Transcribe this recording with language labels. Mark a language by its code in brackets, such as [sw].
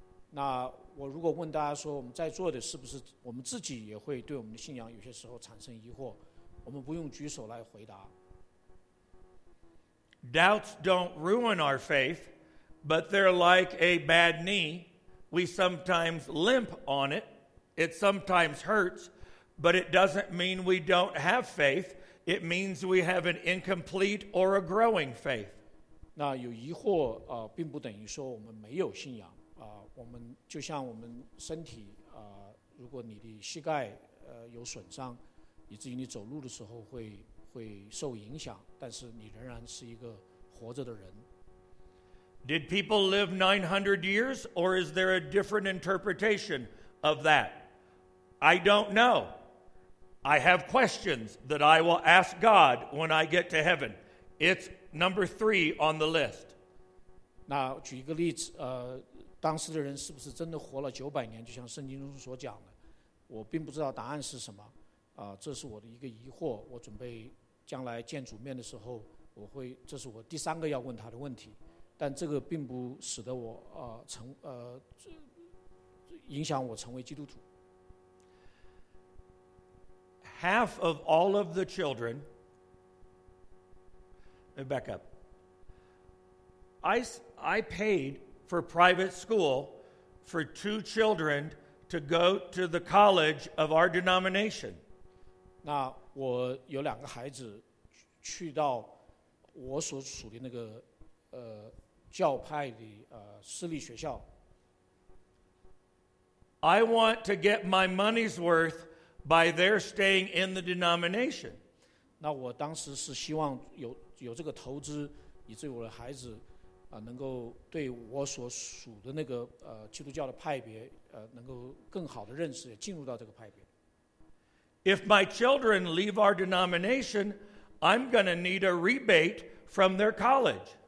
[zh] 那我如果问大家说我们在座的是不是我们自己也会对我们的信仰有些时候产生疑惑，我们不用举手来回答。 [en] Doubts don't ruin our faith, but they're like a bad knee. We sometimes limp on it. It sometimes hurts, but it doesn't mean we don't have faith. It means we have an incomplete or a growing faith. [zh] 那有疑惑并不等于说我们没有信仰。我们就像我们身体如果你的膝盖有损伤，以至于你走路的时候会会受影响，但是你仍然是一个活着的人。 [en] Did people live 900 years, or is there a different interpretation of that? I don't know. I have questions that I will ask God when I get to heaven. It's number three on the list. [zh] 那举一个例子，当时的人是不是真的活了900年，就像圣经中所讲的，我并不知道答案是什么，这是我的一个疑惑，我准备将来见主面的时候，我会，这是我第三个要问他的问题，但这个并不使得我影响我成为基督徒。 [en] Half of all of the children, back up, I paid for private school for two children to go to the college of our denomination. [zh] 那我有两个孩子去到我所属的那个教派的私立学校。 [en] I want to get my money's worth by their staying in the denomination. [zh] 那我当时是希望有这个投资，以至于我的孩子能够对我所属的那个基督教的派别能够更好的认识，进入到这个派别。 [en] If my children leave our denomination, I'm going to need a rebate from their college.